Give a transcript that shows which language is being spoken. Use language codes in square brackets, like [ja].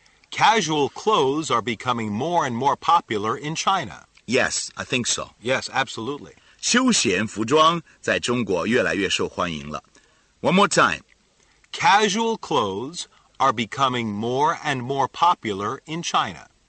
[en] Casual clothes are becoming more and more popular in China. Yes, I think so. Yes, absolutely. [zh] 休闲服装在中国越来越受欢迎了。 [en] One more time. Casual clothes... are becoming more and more popular in China.